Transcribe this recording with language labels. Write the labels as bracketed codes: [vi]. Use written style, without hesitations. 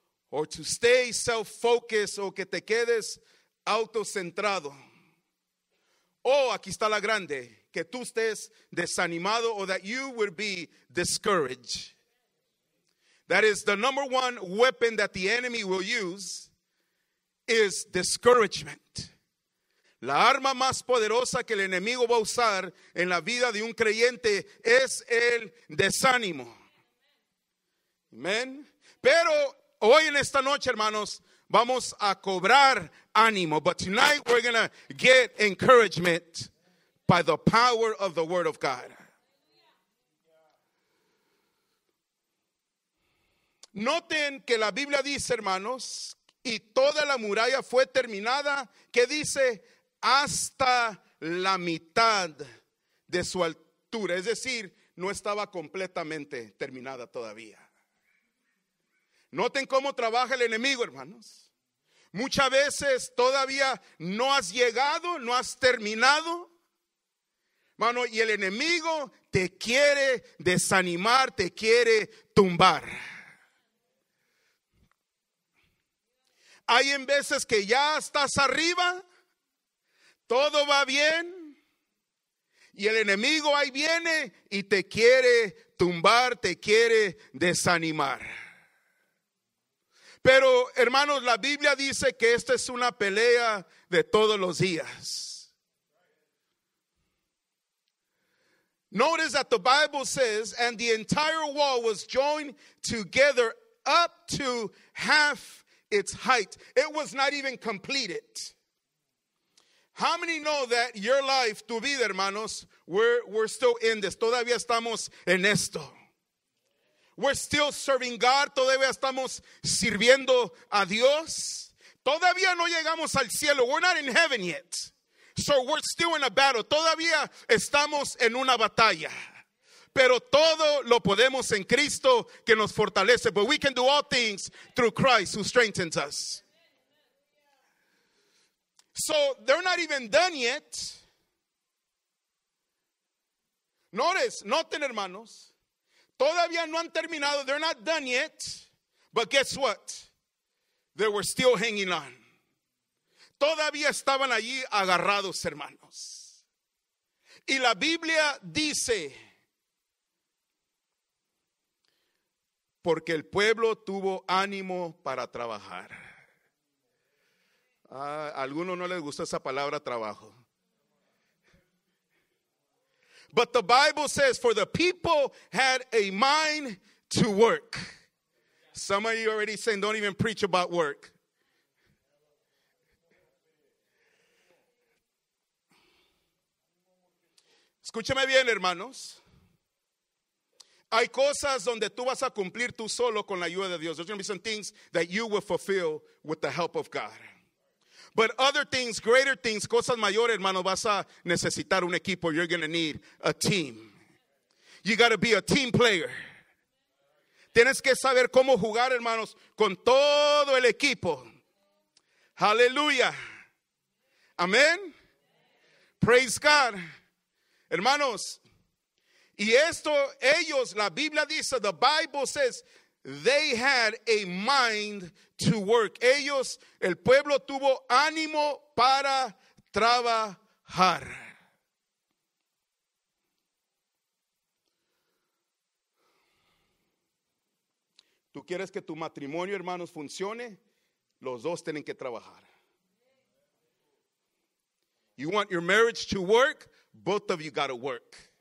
[en] Or to stay self-focused, [es] o que te quedes autocentrado. Oh, aquí está la grande, que tú estés desanimado, [en] or that you would be discouraged. That is the number one weapon that the enemy will use, is discouragement. [es] La arma más poderosa que el enemigo va a usar en la vida de un creyente es el desánimo. Amen. Pero hoy en esta noche, hermanos, vamos a cobrar ánimo. [en] But tonight we're going to get encouragement by the power of the word of God. [es] Noten que la Biblia dice, hermanos, y toda la muralla fue terminada, que dice, hasta la mitad de su altura. Es decir, no estaba completamente terminada todavía. Noten cómo trabaja el enemigo, hermanos. Muchas veces todavía no has llegado, no has terminado, hermano, y el enemigo te quiere desanimar, te quiere tumbar. Hay en veces que ya estás arriba, todo va bien, y el enemigo ahí viene y te quiere tumbar, te quiere desanimar. Pero, hermanos, la Biblia dice que esta es una pelea de todos los días. [en] Notice that the Bible says, and the entire wall was joined together up to half its height. It was not even completed. How many know that your life, [es] tu vida, [en] hermanos, we're still in this. [es] Todavía estamos en esto. [en] We're still serving God. [es] Todavía estamos sirviendo a Dios. Todavía no llegamos al cielo. [en] We're not in heaven yet. So we're still in a battle. [es] Todavía estamos en una batalla. Pero todo lo podemos en Cristo que nos fortalece. [en] But we can do all things through Christ who strengthens us. So they're not even done yet. [es] Noten, hermanos. Todavía no han terminado. [en] They're not done yet. But guess what? They were still hanging on. [es] Todavía estaban allí agarrados, hermanos. Y la Biblia dice, porque el pueblo tuvo ánimo para trabajar. A algunos no les gusta esa palabra, trabajo. [en] But the Bible says, for the people had a mind to work. Some of you already saying, don't even preach about work. [es] Escúchame bien, hermanos. Hay cosas donde tú vas a cumplir tú solo con la ayuda de Dios. [en] There's going to be some things that you will fulfill with the help of God. But other things, greater things, [es] cosas mayores, hermano, vas a necesitar un equipo. [en] You're going to need a team. You got to be a team player. [es] Tienes que saber cómo jugar, hermanos, con todo el equipo. [en] Hallelujah. Amen. Praise God. [es] Hermanos, y esto, ellos, la Biblia dice, [en] the Bible says, they had a mind to work. [es] Ellos, el pueblo tuvo ánimo para trabajar. Tú quieres que tu matrimonio, hermanos, funcione, los dos tienen que trabajar. [en] You want your marriage to work, both of you got to work.